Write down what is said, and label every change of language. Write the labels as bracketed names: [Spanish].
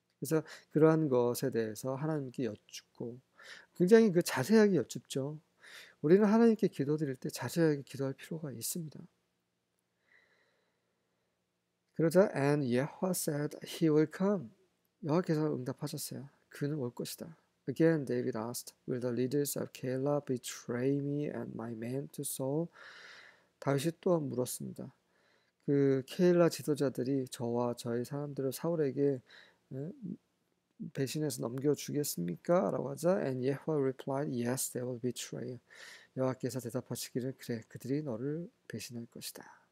[Korean] 그래서 그러한 것에 대해서 하나님께 여쭙고 굉장히 그 자세하게 여쭙죠. 우리는 하나님께 기도드릴 때 자세하게 기도할 필요가 있습니다. 그러자 [English] And Yahweh said he will come. [Korean] 여호와께서 응답하셨어요. 그는 올 것이다. [English] Again David asked, Will the leaders of Keilah betray me and my men to Saul? [Korean] 다윗이 또 물었습니다. 그 케일라 지도자들이 저와 저희 사람들을 사울에게 배신해서 넘겨주겠습니까? 라고 하자 [English] And Yehoah replied, Yes, they will betray you. [Korean] 여호와께서 대답하시기를 그래, 그들이 너를 배신할 것이다.